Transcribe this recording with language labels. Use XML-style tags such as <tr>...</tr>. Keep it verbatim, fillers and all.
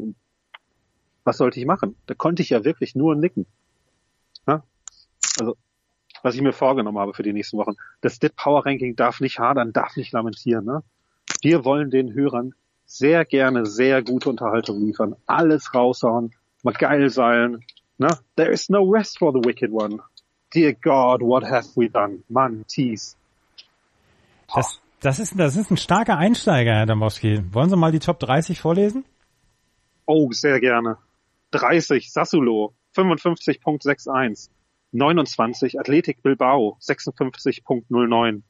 <de>Und was sollte ich machen? Da konnte ich ja wirklich nur nicken. Ja? Also, was ich mir vorgenommen habe für die nächsten Wochen. Das D I T Power Ranking darf nicht hadern, darf nicht lamentieren. Ne? Wir wollen den Hörern sehr gerne sehr gute Unterhaltung liefern. Alles raushauen, mal geil sein. Ne?</de> <en>There is no rest for the wicked one. Dear God, what have we done?</en> <de>Mann, tease. Das, das, ist, das ist ein starker Einsteiger, Herr Dembowski. Wollen Sie mal die Top dreißig vorlesen? Oh, sehr gerne. dreißig, Sassuolo, fünfundfünfzig Komma einundsechzig. neunundzwanzig, Athletic Bilbao, sechsundfünfzig Komma null neun.</de>